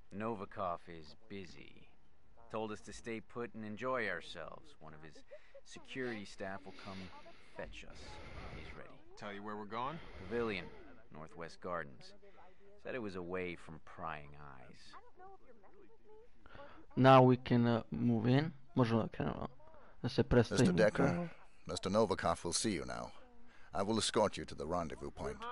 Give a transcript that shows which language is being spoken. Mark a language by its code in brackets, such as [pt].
[en] Novikov is busy. Told us to stay put and enjoy ourselves. One of his security staff will come fetch us. He's ready. Tell you where we're going? Pavilion, Northwest Gardens. Said it was away from prying eyes. Now we can move in. [sr] Možemo kao da se predstavimo. [en] Mr. Decker, Mr. Novikov will see you now. I will escort you to the rendezvous point.